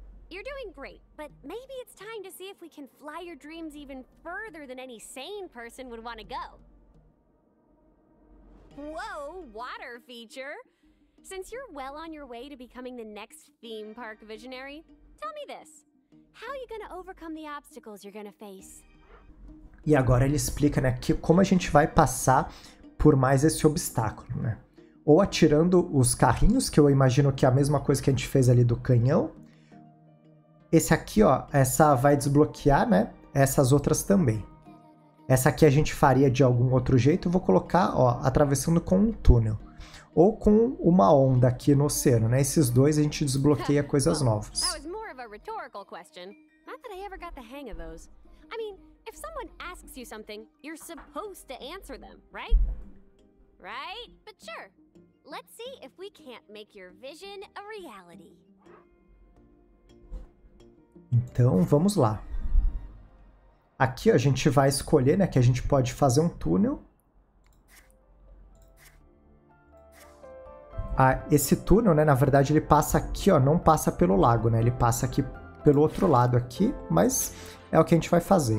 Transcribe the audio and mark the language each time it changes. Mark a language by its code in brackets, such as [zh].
[en] You're doing great, but maybe it's time to see if we can fly your dreams even further than any sane person would want to go. Whoa, water feature. Since you're well on your way to becoming the next theme park visionary, tell me this. How are you going to overcome the obstacles you're going to face? [pt] E agora ele explica, né, que como a gente vai passar por mais esse obstáculo, né? Ou atirando os carrinhos, que eu imagino que é a mesma coisa que a gente fez ali do canhão. Esse aqui, ó, essa vai desbloquear, né? Essas outras também. Essa aqui a gente faria de algum outro jeito, eu vou colocar, ó, atravessando com um túnel. Ou com uma onda aqui no oceano, né? Esses dois a gente desbloqueia coisas novas. [en] That was more of a rhetorical question. Not that I ever got the hang of those. I mean, if someone asks you something, you're supposed to answer them, right? Right? But sure. Let's see if we can't make your vision a reality. [pt] Então, vamos lá. Aqui, ó, a gente vai escolher, né, que a gente pode fazer um túnel. Ah, esse túnel, né, na verdade, ele passa aqui, ó, não passa pelo lago, né? Ele passa aqui pelo outro lado aqui, mas é o que a gente vai fazer.